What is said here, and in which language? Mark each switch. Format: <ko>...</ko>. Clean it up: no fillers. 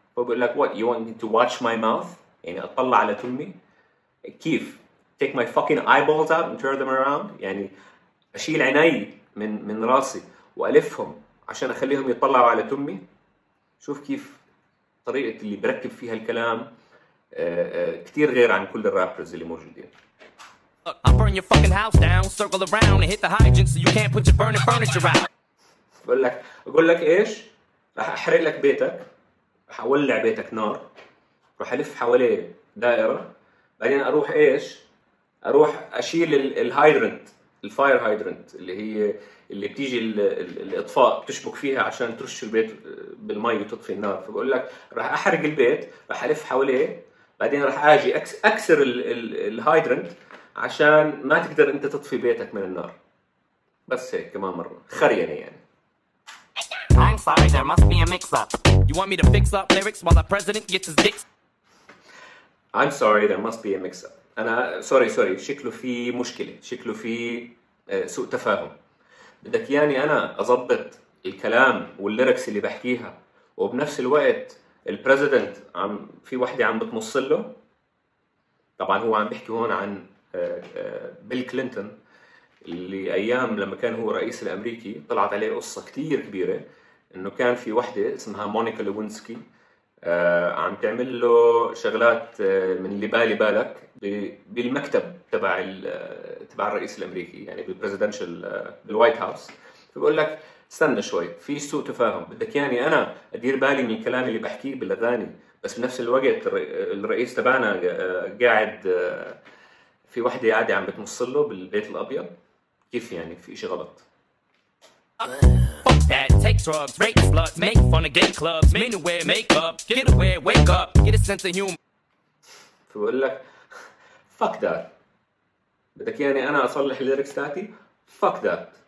<ar>هو بيقول لك</ar> <en>what you want me to watch my mouth،</en> <ar>يعني اطلع على تمي كيف؟</ar> <en>take my fucking eyeballs out and turn them around،</en> <ar>يعني أشيل عيني من راسي وألفهم عشان أخليهم يطلعوا على تمي. شوف كيف طريقة اللي بركب فيها الكلام كتير غير عن كل الرابرز اللي موجودين.</ar> <en>I'll burn your fucking house down, circle around and hit the hydrant so you can't put your burning furniture out.</en> <ar>أقول لك إيش؟ رح أحرق لك بيتك، رح أولع بيتك نار، رح ألف حواليه دائرة، بعدين اروح ايش؟ اروح اشيل الهايدرنت، الفاير هايدرنت اللي هي اللي بتيجي الاطفاء بتشبك فيها عشان ترش البيت بالمي وتطفي النار. فبقول لك راح احرق البيت، راح الف حواليه، بعدين راح اجي اكسر الهايدرنت عشان ما تقدر انت تطفي بيتك من النار. بس هيك كمان مره خريانه يعني.</ar> <en>I'm sorry there must be a mix up. You want me to fix up lyrics while the president gets his dick. I'm sorry there must be a mix up.</en> <ar>انا sorry شكله في مشكله، شكله في سوء تفاهم. بدك ياني انا اضبط الكلام والليركس اللي بحكيها وبنفس الوقت البريزيدنت عم في وحده عم بتمص له؟ طبعا هو عم بيحكي هون عن بيل كلينتون اللي ايام لما كان هو رئيس الامريكي طلعت عليه قصه كثير كبيره انه كان في وحده اسمها مونيكا لوينسكي عم تعمل له شغلات من اللي بالي بالك بالمكتب تبع الرئيس الامريكي، يعني بالبريزيدنشال بالوايت هاوس. فبقول لك استنى شوي، في سوء تفاهم. بدك يعني انا ادير بالي من الكلام اللي بحكيه بالاغاني بس بنفس الوقت الرئيس تبعنا قاعد في وحده قاعده عم بتمص له بالبيت الابيض؟ كيف يعني؟ في شيء غلط.</ar> <en>That take drugs, rape sluts, make fun of gay clubs, men who wear makeup, get away, wake up, get a sense of humor.</en> <ar>فبقول لك</ar> <en>fuck that.</en> <ar>بدك يعني أنا أصلح الليركس تاعتي؟ fuck that.</ar>